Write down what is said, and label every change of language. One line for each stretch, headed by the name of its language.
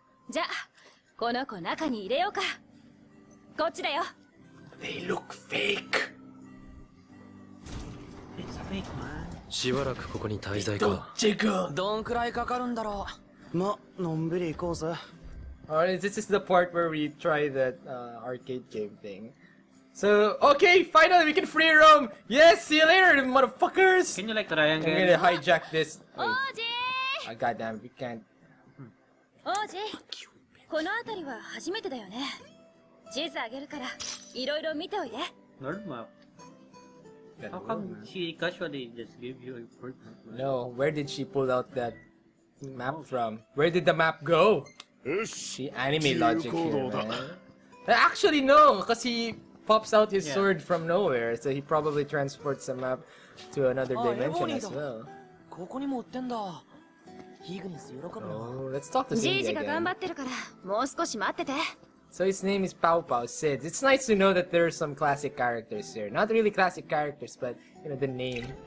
Japanese: じゃあ、この子中に入れようか。こっちだよ。
English: They look fake. It's a fake man.
Japanese: しばらくここに滞在か。ジェイ君、どんくらいかかるんだろう。ま、のんびり行こうぜ。
English: Alright, this is the part where we try that arcade game thing. So, okay, finally we can free roam! Yes, see you later, motherfuckers! Can you like try again? I'm gonna hijack this. Oh, goddamn, we can't. Oji!
Japanese: この辺りは初めてだよね。地図あげるから、いろいろ見ておいで。なるま。
English: How come she casually just gave you a report? No, where did she pull out that map from? Where did the map go? She anime logic here, man. Actually, no, because he pops out his sword from nowhere, so he probably transports the map to another dimension as well.
Japanese: ここにも売ってんだ。イグニス喜ぶの。
English: Let's talk to Sid again.
Japanese: ジージが頑張ってるから、もう少し待ってて。
English: So his name is Pau Pau Sid. It's nice to know that there are some classic characters here. Not really classic characters, but you know the name.